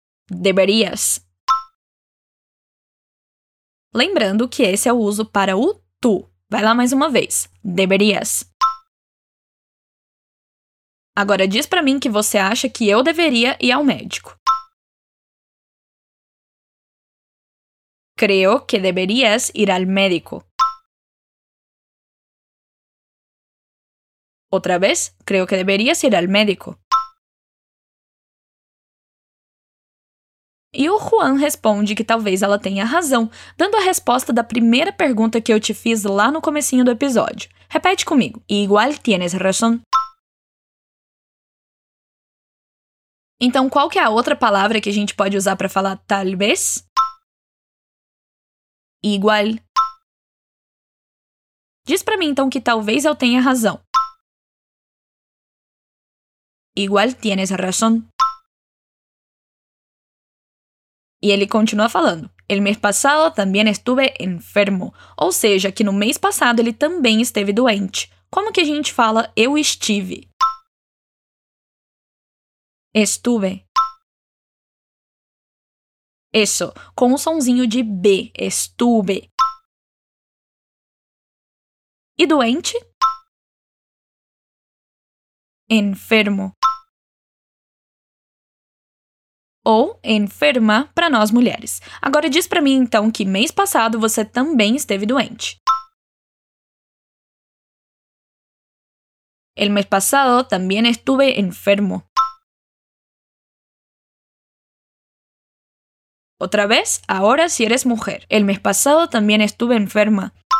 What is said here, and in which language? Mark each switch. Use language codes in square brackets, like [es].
[es] Deberias. [pt] Lembrando que esse é o uso para o tu. Vai lá mais uma vez. Deberias. Agora diz para mim que você acha que eu deveria ir ao médico. [es] Creo que deberías ir al médico. Otra vez, creo que deberías ir al médico. [pt] E o Juan responde que talvez ela tenha razão, dando a resposta da primeira pergunta que eu te fiz lá no comecinho do episódio. Repete comigo. [es] Igual tienes razón. [pt] Então, qual que é a outra palavra que a gente pode usar para falar talvez? [es] Igual. [pt] Diz para mim então que talvez eu tenha razão. [es] Igual tienes razón. Y él continúa falando. El mes pasado también estuve enfermo. [pt] Ou seja, que no mês passado ele também esteve doente. Como que a gente fala eu estive? [es] Estuve. [pt] Isso, com o sonzinho de B, estuve. E doente? [es] Enfermo. [pt] Ou enferma para nós mulheres. Agora diz para mim então que mês passado você também esteve doente. [es] El mes pasado también estuve enfermo. Otra vez, ahora si eres mujer. El mes pasado también estuve enferma.